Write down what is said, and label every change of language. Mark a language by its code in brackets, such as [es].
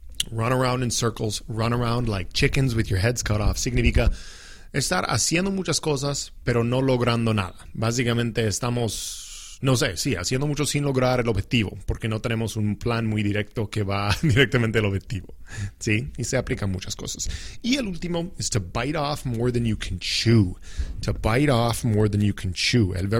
[en] Run around in circles, run around like chickens with your heads cut off. [es] Significa estar haciendo muchas cosas, pero no logrando nada. Básicamente estamos, no sé, sí, haciendo mucho sin lograr el objetivo, porque no tenemos un plan muy directo que va directamente al objetivo, ¿sí? Y se aplican muchas cosas. Y el último es [en] to bite off more than you can chew. To bite off more than you can chew.